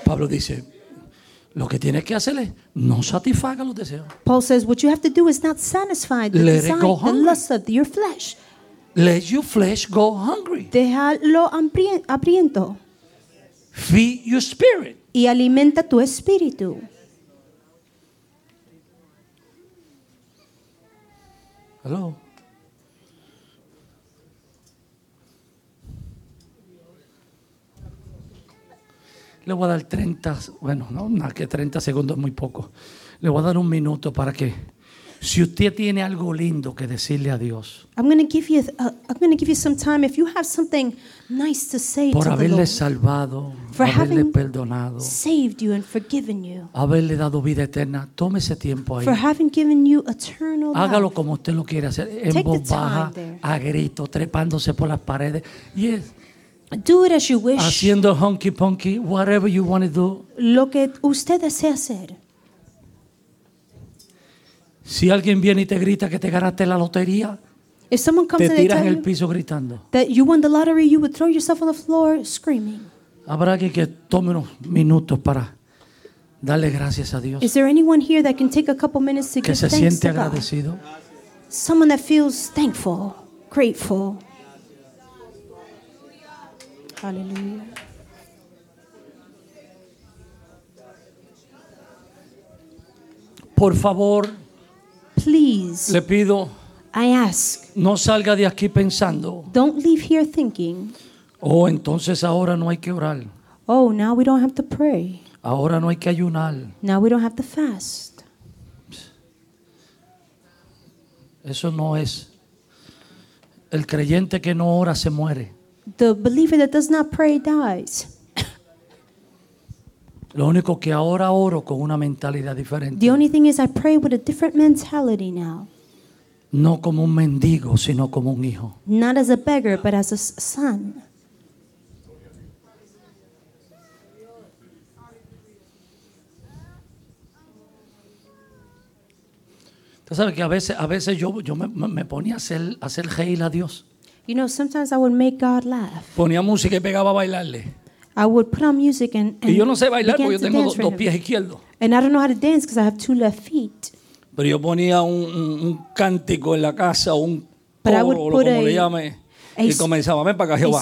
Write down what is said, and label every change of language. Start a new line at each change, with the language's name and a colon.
Spanish: Pablo dice, lo que tienes que hacer es no satisfaga los deseos.
English: Paul says, what you have to do is not satisfy the Let desire, the lust of your flesh. Let your flesh go hungry.
Spanish: Déjalo hambriento.
English: Feed your spirit.
Spanish: Y alimenta tu espíritu.
English: Hello.
Spanish: Le voy a dar 30, bueno, no, nada, que 30 segundos es muy poco. Le voy a dar un minuto para que, si usted tiene algo lindo que decirle a Dios,
English: I'm going to give you some time. If you have something nice to say to God,
Spanish: por haberle salvado,
English: for
Spanish: haberle perdonado,
English: saved you and forgiven you,
Spanish: haberle dado vida eterna, tome ese tiempo ahí.
English: For having given you eternal life,
Spanish: hágalo como usted lo quiere hacer, en voz baja, a grito, trepándose por las paredes.
English: Yes. Do it as you wish. Haciendo honky punky, whatever you want to do.
Spanish: Lo que usted desea hacer. Si alguien viene y te grita que te ganaste la lotería.
English: If someone comes
Spanish: te tiras en el piso gritando.
English: That you won the lottery, you would throw yourself on the floor screaming.
Spanish: Habrá que tome unos minutos para darle gracias a Dios.
English: Is there anyone here that can take a couple minutes to give thanks to God?
Spanish: Que se siente agradecido.
English: Someone that feels thankful, grateful. Hallelujah.
Spanish: Por favor,
English: please,
Spanish: le pido,
English: I ask,
Spanish: no salga de aquí pensando,
English: don't leave here thinking,
Spanish: oh, entonces ahora no hay que orar.
English: Oh, now we don't have to pray.
Spanish: Ahora no hay que ayunar.
English: Now we don't have to fast.
Spanish: Eso no es. El creyente que no ora se muere.
English: The believer that does not pray dies.
Spanish: Lo único que ahora oro con una mentalidad diferente.
English: The only thing is I pray with a different mentality now.
Spanish: No como un mendigo, sino como un hijo.
English: Not as a beggar, but as a son.
Spanish: Usted sabe que a veces yo me ponía a hacer reír a Dios.
English: You know, sometimes I would make God laugh.
Spanish: Ponía música y pegaba a bailarle.
English: I would put on music and
Spanish: y yo no sé bailar porque yo tengo dos pies izquierdos.
English: And I don't know how to dance because I have two left feet.
Spanish: Pero yo ponía un cántico en la casa, un coro, o como le llame, y comenzaba, ven para acá, Jehová.